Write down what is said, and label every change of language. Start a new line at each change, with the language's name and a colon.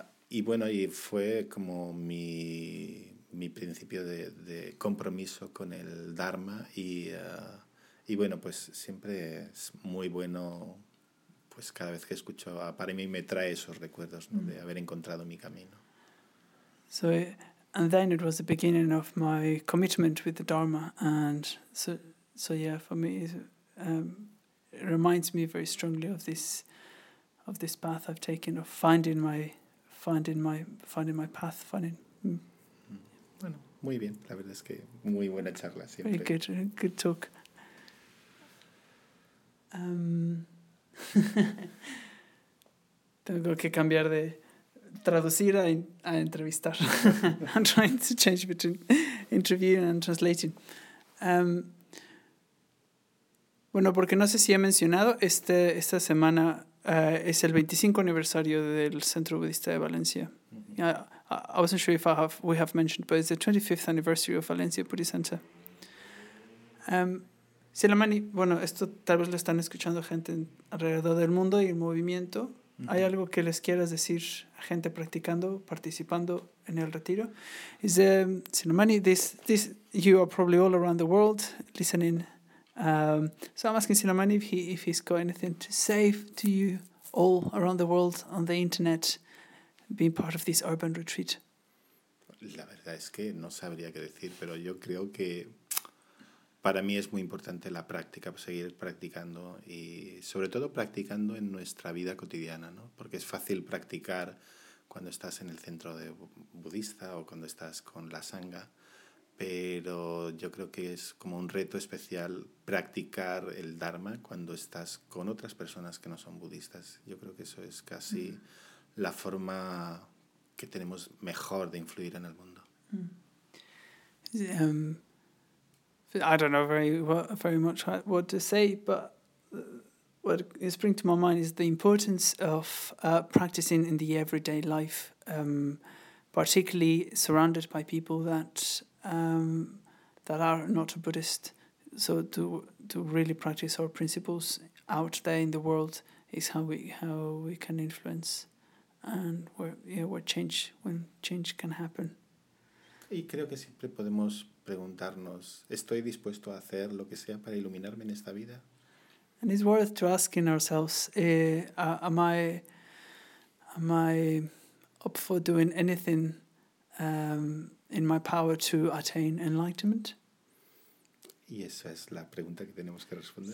Spanish: Y bueno, y fue como mi principio de compromiso con el Dharma y bueno, pues siempre es muy bueno, pues cada vez que escucho a Parami me trae esos recuerdos, ¿no? De haber encontrado mi camino.
English: So and then it was the beginning of my commitment with the Dharma, and so yeah, for me it reminds me very strongly of this path I've taken of finding my path, finding.
Spanish: Bueno, muy bien, la verdad es que muy buena charla siempre.
English: Very good talk.
Spanish: Tengo que cambiar de traducir a entrevistar.
English: I'm trying to change between interview and translating.
Spanish: Bueno, porque no sé si he mencionado, esta semana es el 25 aniversario del Centro Budista de Valencia.
English: I wasn't sure if we have mentioned, but it's the 25th anniversary of Valencia Buddhist Center.
Spanish: Silamani, bueno, esto tal vez lo están escuchando gente alrededor del mundo y el movimiento. ¿Hay algo que les quieras decir a gente practicando, participando en el retiro?
English: Is Silamani, this you are probably all around the world listening. So I'm asking Silamani if he's got anything to say to you all around the world on the internet, being part of this urban retreat.
Spanish: La verdad es que no sabría qué decir, pero yo creo que para mí es muy importante la práctica, seguir practicando y sobre todo practicando en nuestra vida cotidiana, ¿no? Porque es fácil practicar cuando estás en el centro de budista o cuando estás con la sangha, pero yo creo que es como un reto especial practicar el dharma cuando estás con otras personas que no son budistas. Yo creo que eso es casi la forma que tenemos mejor de influir en el mundo.
English: I don't know very much what to say, but what is bringing to my mind is the importance of practicing in the everyday life, particularly surrounded by people that are not a Buddhist. So to really practice our principles out there in the world is how we can influence and where change can happen.
Spanish: Y creo que siempre podemos preguntarnos, ¿estoy dispuesto a hacer lo que sea para iluminarme en esta vida?
English: And it's worth to asking ourselves, am I up for doing anything in my power to attain enlightenment?
Spanish: Y esa es la pregunta que tenemos que responder.